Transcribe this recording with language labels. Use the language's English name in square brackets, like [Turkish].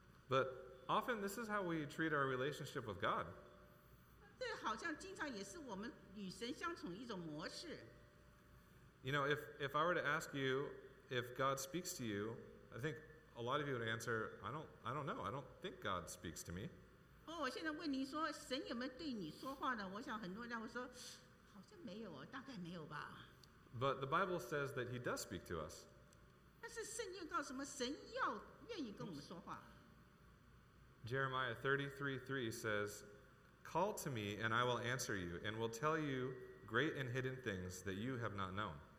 [English] But often this is how we treat our relationship with God. [Chinese] 这好像经常也是我们与神相处一种模式。 [English] You know, if I were to ask you if God speaks to you, I think a lot of you would answer, I don't know, I don't think God speaks to me. [Chinese] 我现在问你说神有没有对你说话呢，我想很多人会说好像没有，大概没有吧。 [English] But the Bible says that he does speak to us. [Chinese] 但是圣经告诉我们神要愿意跟我们说话。 [English] Jeremiah 33:3 says, call to me and I will answer you and will tell you great and hidden things that you have not known.